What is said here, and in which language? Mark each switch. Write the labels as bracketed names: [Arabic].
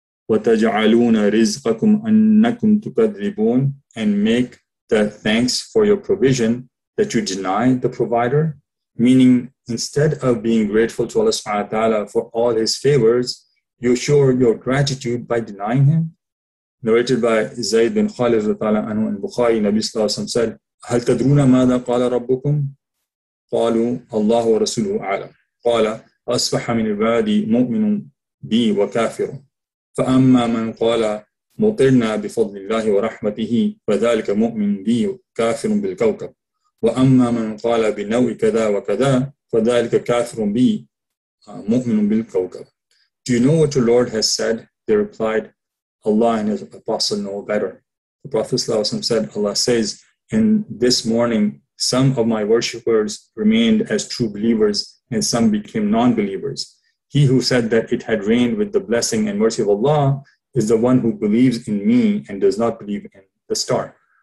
[Arabic] وَتَجْعَلُونَ رِزْقَكُمْ أَنَّكُمْ تُكَذِّبُونَ, [English] and make the thanks for your provision that you deny the provider. Meaning, instead of being grateful to Allah subhanahu wa ta'ala for all his favors, you show your gratitude by denying him. Narrated by Zayd bin Khalid ta'ala anhu in Bukhari, Nabi sallallahu alayhi wa sallam said, [Arabic] هَلْ تَدْرُونَ مَاذَا قَالَ رَبُّكُمْ قَالُوا اللَّهُ وَرَسُولُهُ أَعْلَمُ قَالَ أَصْبَحَ مِنْ عِبَادِي مُؤْمِنٌ بِي وَكَافِرٌ فَأَمَّا مَنْ قَالَ مُطِرْنَا بِفَضْلِ اللَّهِ وَرَحْمَتِهِ فَذَلِكَ مُؤْمِنٌ بِي كَافِرٌ بِالْكَوْكَبِ وَأَمَّا مَنْ قَالَ بِنَوِّ كَذَا وَكَذَا فَذَلِكَ كَافِرٌ بِي مُؤْمِنٌ بِالْكَوْكَبِ. [English] Do you know what your Lord has said? They replied, Allah and his apostle know better. The Prophet ﷺ said, Allah says, in this morning, some of my worshippers remained as true believers and some became non-believers. He who said that it had rained with the blessing and mercy of Allah is the one who believes in me and does not believe in the star.